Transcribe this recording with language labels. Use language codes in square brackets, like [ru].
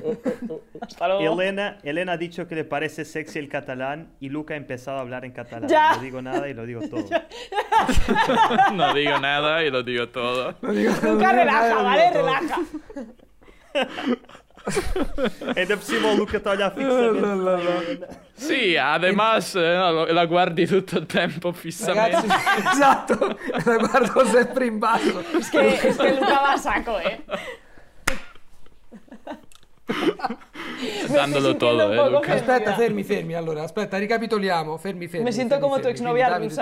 [es] Tengo que leer un comentario. Elena ha dicho que le parece sexy el catalán y Luca ha empezado a hablar en catalán. Ya. No digo nada y lo digo todo. No digo nada y lo digo todo. Luca, relaja, ¿vale? Relaja. [pt] Ainda por cima o Luca está a olhar fixamente. [it] Sì, además la guardi tutto il tempo fissamente. Ragazzi, esatto, la guardo sempre in basso. [es] Es que Luca va a saco, Dandolo todo, Luca. [it] Aspetta, fermi, allora, aspetta, ricapitoliamo, fermi. Mi sento come tua ex novia, Luca.